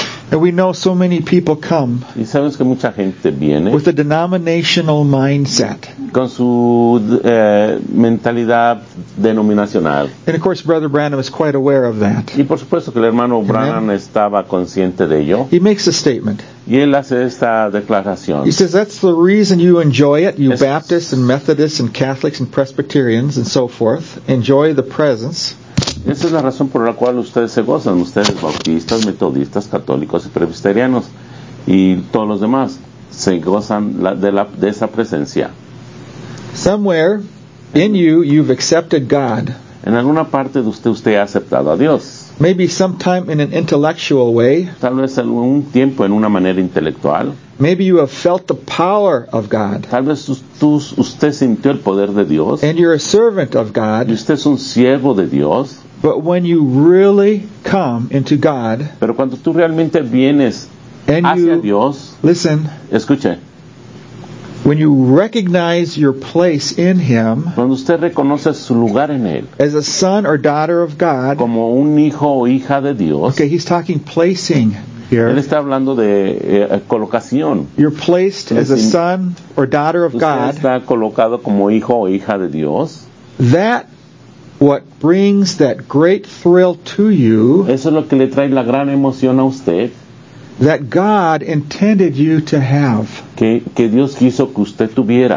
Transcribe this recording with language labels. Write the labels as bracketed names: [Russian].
[English] And we know so many people come. [Spanish] Y sabemos que mucha gente viene. [English] With a denominational mindset. [Spanish] Con su mentalidad denominacional. [English] And of course, Brother Branham is quite aware of that. [Spanish] Y por supuesto que el hermano Branham estaba consciente de ello. [English] He makes a statement. [Spanish] Y él hace esta declaración. [English] He says that's the reason you enjoy it, you Baptists and Methodists and Catholics and Presbyterians and so forth enjoy the presence. [Spanish] Esa es la razón por la cual ustedes se gozan, ustedes bautistas, metodistas, católicos y presbiterianos y todos los demás se gozan de esa presencia. [English] Somewhere in you've accepted God. [Spanish] En alguna parte de usted ha aceptado a Dios. [English] Maybe sometime in an intellectual way. [Spanish] Tal vez algún tiempo en una manera intelectual. [English] Maybe you have felt the power of God. [Spanish] Tal vez usted sintió el poder de Dios. [English] And you're a servant of God. [Spanish] Y usted es un siervo de Dios. [English] But when you really come into God. [Spanish] Pero cuando tú realmente vienes [English] and [Spanish] hacia [English] you, [Spanish] Dios. [English] Listen. [Spanish] Escuche. [English] When you recognize your place in Him, [Spanish] cuando usted reconoce su lugar en él, [English] as a son or daughter of God, [Spanish] como un hijo o hija de Dios, [English] okay, He's talking placing here. [Spanish] Él está hablando de colocación. [English] You're placed as a son or daughter of God. [Spanish] Usted está colocado como hijo o hija de Dios. [English] That what brings that great thrill to you. [Spanish] Eso es lo que le trae la gran emoción a usted. [English] That God intended you to have. [Spanish] Que Dios quiso que usted tuviera.